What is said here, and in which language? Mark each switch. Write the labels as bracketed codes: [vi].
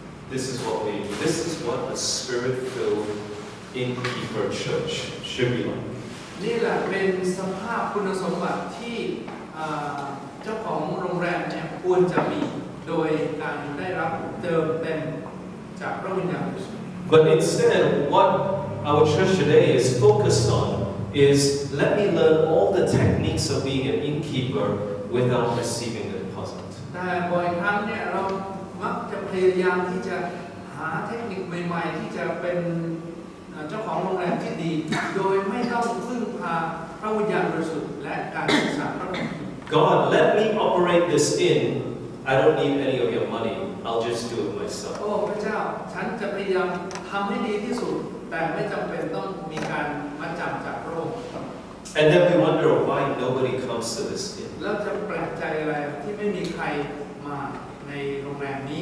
[en] This is what a spirit-filled innkeeper church should be like. [th] นี่แหละเป็นสภาพคุณสมบัติที่เจ้าของโรงแรมเนี่ยควรจะมีโดยการได้รับเติมเต็มจากพระวิญญาณบริสุทธิ์ [en] But instead what our church today is focused on is let me learn all the techniques of being an innkeeper without receiving the deposit [th] แต่บ่อยครั้งเนี่ยเรามักจะพยายามที่จะหาเทคนิคใหม่ๆที่จะเป็นเจ้าของโรงแรมที่ดีโดยไม่ต้องพึ่งพาพระวิญญาณบริสุทธิ์และการศึกษาพระองค์ [en] God let me operate this inn I don't need any of your money I'll just do it myself [th] โอ้พระเจ้าฉันจะพยายามทำให้ดีที่สุดแต่ไม่จำเป็นต้องมีการมาจับจากพระองค์ [en] And then we wonder why nobody comes to this inn [th] แล้วจะแปลกใจอะไรที่ไม่มีใครมาในโรงแรมนี